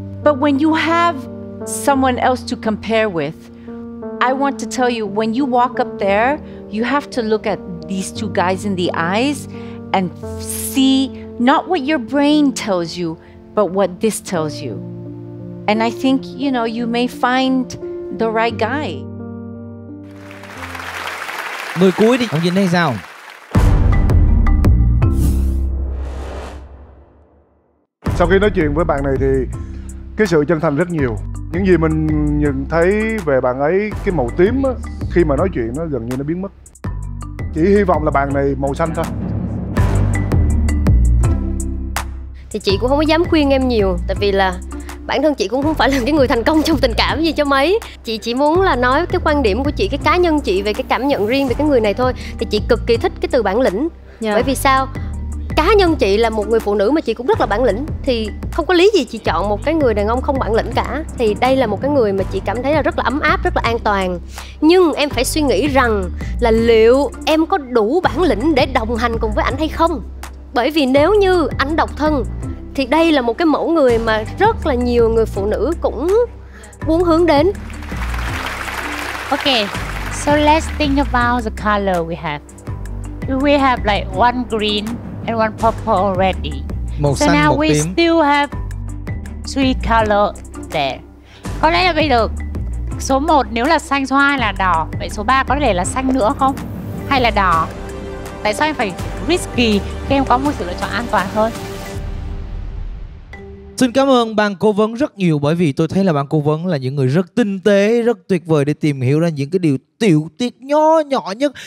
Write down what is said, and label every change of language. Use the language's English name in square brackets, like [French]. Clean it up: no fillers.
[English] But when you have someone else to compare with, I want to tell you, when you walk up there, you have to look at these two guys in the eyes and see not what your brain tells you, but what this tells you. And I think, you know, you may find the right guy. [Vietnamese] Người cuối đi, ông nhìn thấy sao? Sau khi nói chuyện với bạn này thì cái sự chân thành rất nhiều. Những gì mình nhận thấy về bạn ấy, cái màu tím á, khi mà nói chuyện nó gần như nó biến mất. Chỉ hy vọng là bạn này màu xanh thôi. Thì chị cũng không có dám khuyên em nhiều, tại vì là bản thân chị cũng không phải là cái người thành công trong tình cảm gì cho mấy. Chị chỉ muốn là nói cái quan điểm của chị, cái cá nhân chị về cái cảm nhận riêng về cái người này thôi. Thì chị cực kỳ thích cái từ bản lĩnh. Bởi vì sao? Cá nhân chị là một người phụ nữ mà chị cũng rất là bản lĩnh. Thì không có lý gì chị chọn một cái người đàn ông không bản lĩnh cả. Thì đây là một cái người mà chị cảm thấy là rất là ấm áp, rất là an toàn. Nhưng em phải suy nghĩ rằng là liệu em có đủ bản lĩnh để đồng hành cùng với anh hay không. Bởi vì nếu như anh độc thân thì đây là một cái mẫu người mà rất là nhiều người phụ nữ cũng muốn hướng đến. [English] Ok, so let's think about the color we have. We have like one green and one purple already. [Vietnamese] Màu [English] so [Vietnamese] xanh, [English] now we [Vietnamese] tím. [English] Still have three colors there. [Vietnamese] Có lẽ là bây giờ số 1 nếu là xanh, số 2 là đỏ. Vậy số 3 có thể là xanh nữa không? Hay là đỏ? Tại sao em phải risky khi em có một sự lựa chọn an toàn hơn? Xin cảm ơn bạn cố vấn rất nhiều, bởi vì tôi thấy là bạn cố vấn là những người rất tinh tế, rất tuyệt vời để tìm hiểu ra những cái điều tiểu tiết nhỏ nhỏ nhất.